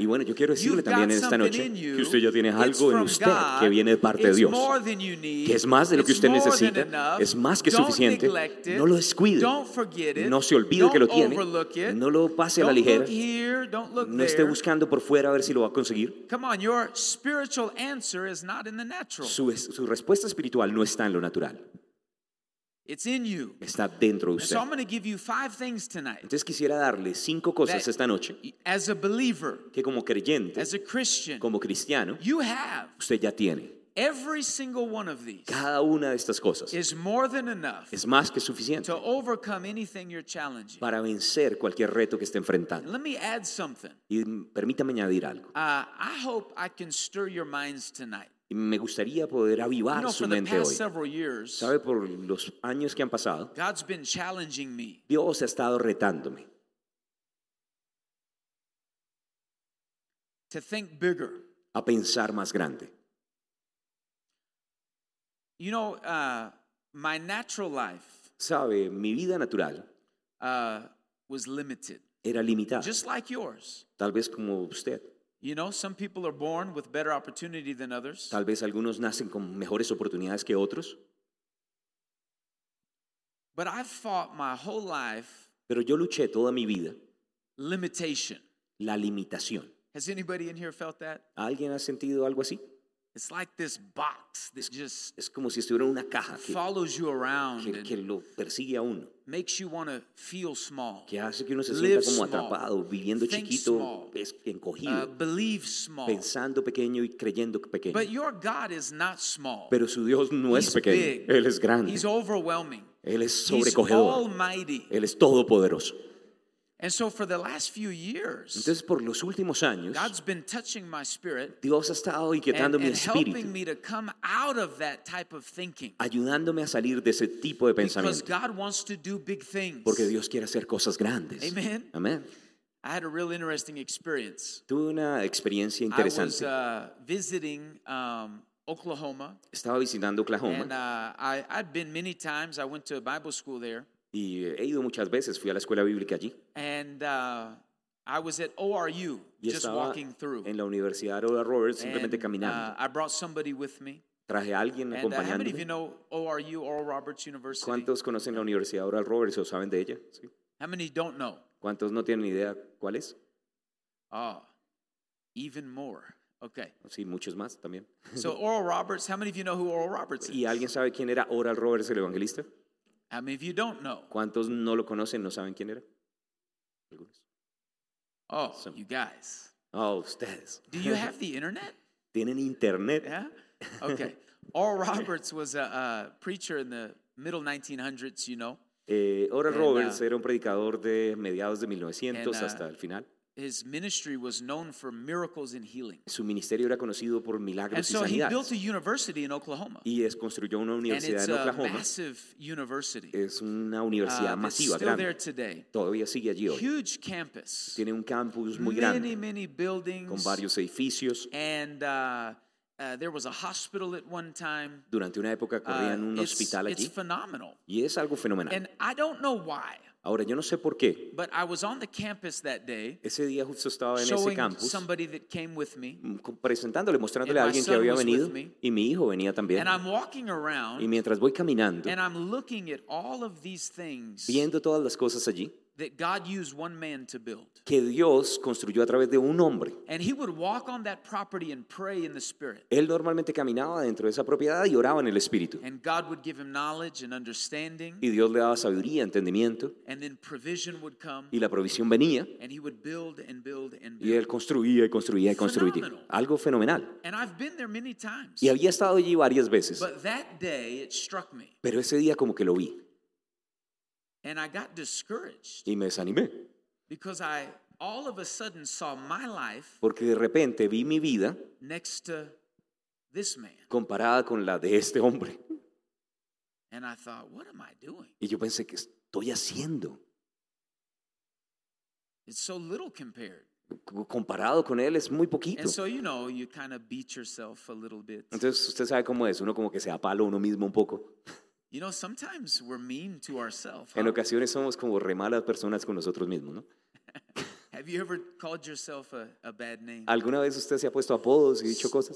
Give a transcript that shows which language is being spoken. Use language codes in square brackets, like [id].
[es] y bueno, yo quiero decirle también en esta noche [en] you, [es] que usted ya tiene algo en usted, [en] God, [es] que viene de parte de Dios, [en] more than you need, [es] que es más de lo que usted necesita, [en] enough, [es] es más que [en] don't [es] suficiente, [en] neglect it, [es] no lo descuide, [en] don't forget it, [es] no se olvide [en] don't [es] que lo tiene, [en] overlook it, [es] no lo pase [en] don't [es] a la ligera, [en] look here, don't look [es] no esté buscando por fuera a ver si lo va a conseguir. [en] Come on, your spiritual answer is not in the natural. [es] Su respuesta espiritual no está en lo natural. [en] It's in you. [es] Está dentro de usted. [en] So I'm going to give you five things tonight. [es] Entonces quisiera darle cinco cosas esta noche. [en] As a believer, [es] que como creyente, [en] as a Christian, [es] como cristiano, [en] you have. [es] Usted ya tiene. [en] every single one of these, [es] cada una de estas cosas, [en] is more than enough, [es] es más que suficiente, [en] to overcome anything you're challenging, [es] para vencer cualquier reto que esté enfrentando. [en] Let me add something. [es] Y permítame añadir algo. [en] I hope I can stir your minds tonight. [es] Me gustaría poder avivar su mente hoy. [en] Years, [es] ¿sabe por los años que han pasado? [en] God's been challenging me. [es] Dios ha estado retándome. [en] To think bigger. [es] A pensar más grande. [en] You know, my natural life, [es] ¿sabe? Mi vida natural [en] was limited. [es] Era limitada. [en] Just like yours. [es] Tal vez como usted. [en] You know, some people are born with better opportunity than others. [es] Tal vez algunos nacen con mejores oportunidades que otros. [en] But I've fought my whole life. [es] Pero yo luché toda mi vida. [en] Limitation. [es] La limitación. [en] Has anybody in here felt that? [es] ¿Alguien ha sentido algo así? [en] It's like this box that just [es] es como si estuviera una caja que [en] follows you around, [es] que lo persigue a uno. [en] Makes you want to feel small. [es] Que hace que uno se sienta como atrapado, viviendo chiquito, encogido. [en] Believe small. [es] Pensando pequeño y creyendo pequeño. [en] But your God is not small. [es] Pero su Dios no es pequeño. [en] He's big. [es] Él es grande. [en] He's overwhelming. [es] Él es sobrecogedor. [en] He's almighty. [es] Él es todopoderoso. [en] And so for the last few years, [es] entonces por los últimos años, [en] God's been touching my spirit, [es] Dios ha estado inquietando mi espíritu, [en] helping me to come out of that type of thinking, [es] ayudándome a salir de ese tipo de pensamiento, [en] because God wants to do big things, [es] porque Dios quiere hacer cosas grandes. [en] Amen. [es] Amen. [en] I had a real interesting experience. [es] Tuve una experiencia interesante. [en] I was visiting Oklahoma. [es] Estaba visitando Oklahoma. [en] And I'd been many times. I went to a Bible school there. [es] Y he ido muchas veces, fui a la escuela bíblica allí. [en] And I was at ORU, [es] y [en] just walking through. [es] En la Universidad de Oral Roberts, simplemente [en] and, [es] caminando. [en] I brought somebody with me. [es] Traje a alguien [en] and, [es] acompañándome. [en] How many of you know ORU, Oral Roberts University? [es] ¿Cuántos conocen la Universidad de Oral Roberts o saben de ella? ¿Sí? [en] How many don't know? [es] ¿Cuántos no tienen idea cuál es? [en] Oh, even more. Okay. [es] Sí, muchos más también. [en] So Oral Roberts, how many of you know who Oral Roberts is? [es] ¿Y alguien sabe quién era Oral Roberts, el evangelista? [en] I mean, if you don't know. [es] ¿Cuántos no lo conocen, no saben quién era? Algunos. [en] Oh, so, you guys. [es] Oh, ustedes. [en] Do you have the internet? [es] ¿Tienen internet? [en] Yeah? Okay. Oral Roberts was a preacher in the middle 1900s, you know. [es] Oral Roberts era un predicador de mediados de 1900 hasta el final. [en] His ministry was known for miracles and healing. [es] Su ministerio era conocido por milagros y sanidades. [en] And so he built a university in Oklahoma. [es] Y es construyó una universidad en Oklahoma. [en] And it's a massive university. [es] Es una universidad masiva, grande. [en] It's still there today. [es] Todavía sigue allí hoy. [en] Huge campus. [es] Tiene un campus muy grande. [en] Many, many buildings. [es] Con varios edificios. [en] And there was a hospital at one time. [es] Durante una época corrían un hospital allí. [en] It's phenomenal. [es] Y es algo fenomenal. [en] And I don't know why. [es] Ahora, yo no sé por qué. [en] But I was on the campus that day, [es] ese día justo estaba en [en] showing [es] ese campus, [en] somebody that came with me, [es] presentándole, mostrándole a alguien que había venido, y mi hijo venía también. [en] And I'm walking around, [es] y mientras voy caminando, [en] and I'm looking at all of these things, [es] viendo todas las cosas allí, [en] that God used one man to build. [es] Que Dios construyó a través de un hombre. [en] And he would walk on that property and pray in the spirit. [es] Él normalmente caminaba dentro de esa propiedad y oraba en el espíritu. [en] And God would give him knowledge and understanding. [es] Y Dios le daba sabiduría, entendimiento. [en] And then provision would come. [es] Y la provisión venía. [en] And he would build and build and build. [es] Y él construía y construía y construía. [en] Phenomenal. [es] Algo fenomenal. [en] And I've been there many times. [es] Y había estado allí varias veces. [en] But that day it struck me. [es] Pero ese día como que lo vi. [en] And I got discouraged. [es] Y me desanimé. [en] Because I all of a sudden saw my life. [es] Porque de repente vi mi vida. [en] Next to this man. [es] Comparada con la de este hombre. [en] And I thought, what am I doing? [es] Y yo pensé, ¿qué estoy haciendo? [en] It's so little compared. [es] Comparado con él es muy poquito. [en] And so, you know, you kind of beat yourself a little bit. [es] Entonces usted sabe cómo es, uno como que se apala uno mismo un poco. [en] You know, sometimes we're mean to ourselves. [es] En ocasiones somos como re malas personas con nosotros mismos, ¿no? [en] Have you ever called yourself a bad name? [es] ¿Alguna vez usted se ha puesto apodos y dicho cosas?